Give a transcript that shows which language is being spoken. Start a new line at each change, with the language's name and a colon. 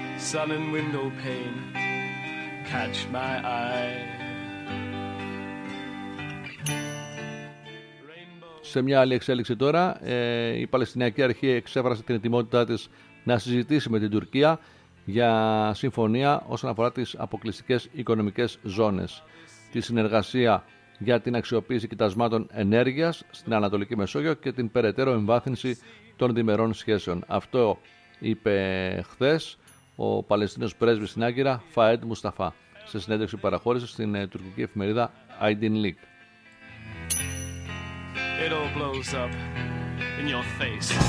English: Sun and window pane catch my eye.
Greek: Σε μια άλλη εξέλιξη τώρα, η Παλαιστινιακή Αρχή εξέφρασε την ετοιμότητά της να συζητήσει με την Τουρκία για συμφωνία όσον αφορά τις αποκλειστικές οικονομικές ζώνες, τη συνεργασία για την αξιοποίηση κοιτασμάτων ενέργειας στην Ανατολική Μεσόγειο και την περαιτέρω εμβάθυνση των διμερών σχέσεων. Αυτό είπε χθες ο Παλαιστίνος πρέσβης στην Άγκυρα, Φαέντ Μουσταφά, σε συνέντευξη που παραχώρησε στην τουρκική εφημερίδα Aydin Leak.
English: It all blows up in your face.